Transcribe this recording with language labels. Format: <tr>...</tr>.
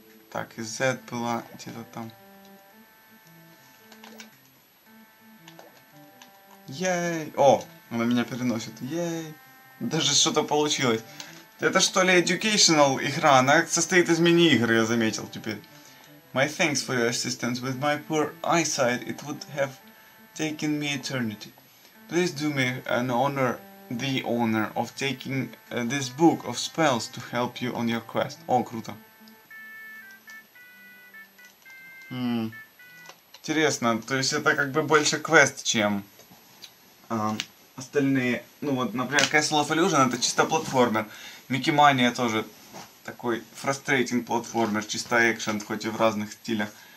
<ru>Так, и Z была где-то там. Ей! О, она меня переносит. Ей! Даже что-то получилось. Это что ли educational игра? Она состоит из мини-игр, я заметил теперь.</ru> <en>My thanks for your assistance. With my poor eyesight, it would have taken me eternity. Please do me an honor, the honor of taking this book of spells to help you on your quest.</en> <ru>О, круто. Интересно, то есть это как бы больше квест, чем... остальные, ну вот, например, Castle of Illusion, это чисто платформер. Mickey Mania тоже такой frustrating платформер, чисто экшен, хоть и в разных стилях.</ru>